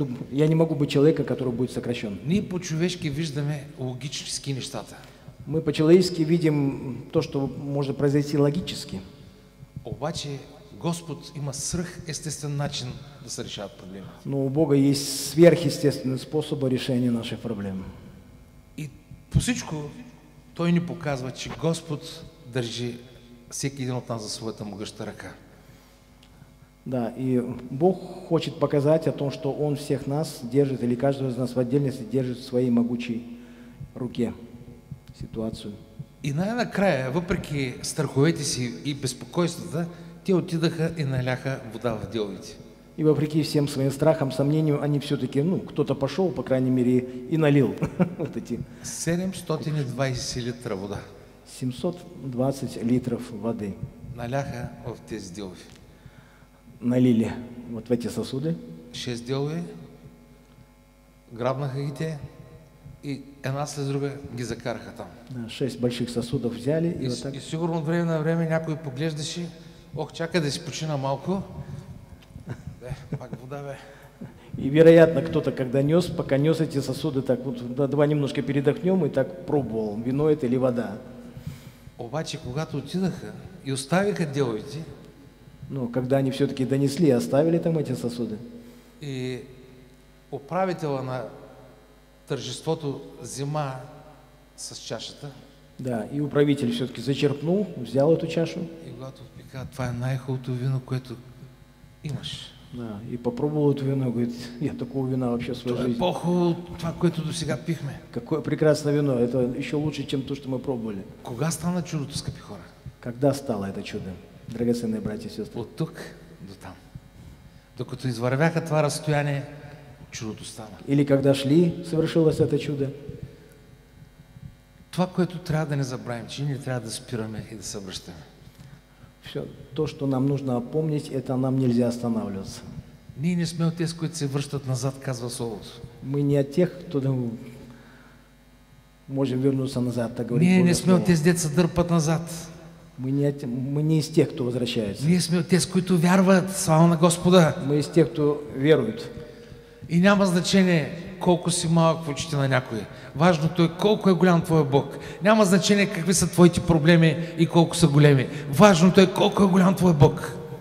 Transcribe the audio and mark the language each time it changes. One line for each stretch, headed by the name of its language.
Russian: я не могу быть человека, который будет сокращен.
Bulgarian: Ние по-човешки виждаме логически нещата.
Russian: Мы по-человечески видим то, что может произойти логически.
Bulgarian: Обаче Господ има сръх естествен начин да се решават проблеми.
Russian: Но у Бога есть сверхъестественные способы решения наших проблем.
Bulgarian: И по всичко Той ни показва, че Господ държи всеки един от нас за своята могъща ръка.
Russian: Да, и Бог хочет показать о том, что Он всех нас держит, или каждого из нас в отдельности держит в своей могучей руке. Ситуацию.
Bulgarian: И най-накрая, въпреки страховете си и безпокойствата, те отидаха и наляха вода в деловите.
Russian: И въпреки всем своим страхам, съмнению, они все-таки, ну, кто-то пошел, по крайней мере, и налил вот эти...
Bulgarian: 720 литра вода.
Russian: 720 литров воды.
Bulgarian: Наляха в тези делови.
Russian: Налили вот в эти сосуды.
Bulgarian: 6 делови, грабнаха ги те. И една след друга ги закараха там.
Russian: Да, 6 больших сосудов взяли и вот так.
Bulgarian: И сигурно от време на време някой поглеждаше, ох, чакай да си почина малко. Бе, пак вода, бе.
Russian: И вероятно, кто-то когда нес, пока нес эти сосуды, так вот, да, давай немножко передохнем и так пробовал, вино это или вода.
Bulgarian: Обаче, когато отидаха и оставиха деловите.
Russian: Ну, когда они все-таки донесли и оставили там эти сосуды.
Bulgarian: И управителя на тържеството взима с чашата.
Russian: Да, и управитель все-таки зачерпнул, взял эту чашу.
Bulgarian: И когато пика, това е най-хубавото вино, което имаш.
Russian: Да, и попробовал это вино, говорит, я такого вина вообще в своей жизни.
Bulgarian: То эпоху, това, което до сега пихме.
Russian: Какое прекрасное вино, это еще лучше, чем то, что мы пробовали.
Bulgarian: Кога стана чудото, скъпи хора?
Russian: Когда стало это чудо, драгоценные братья и сестры?
Bulgarian: От тук до там. Докато извървяха това разстояние, чудото стана.
Russian: Или когда шли, совершилось это чудо.
Bulgarian: Това, което трябва да не забравим, че не трябва да спираме и да се обръщаме.
Russian: Все, то, что нам нужно помнить, это нам нельзя останавливаться.
Bulgarian: Ние не сме от тези, които се връщат назад, казва Словото.
Russian: Мы не от тех, кто можем вернуться назад, так говорит Божие Слово.
Bulgarian: Ние не сме от тези, деца дърпат назад.
Russian: Мы не из тех, кто возвращается.
Bulgarian: Ние сме от тези, които вярват, слава на Господа.
Russian: Мы из тех, кто верует.
Bulgarian: И няма значение колко си малък в очите на някой. Важното е колко е голям твой Бог. Няма значение какви са твоите проблеми и колко са големи. Важното е колко е голям твой Бог.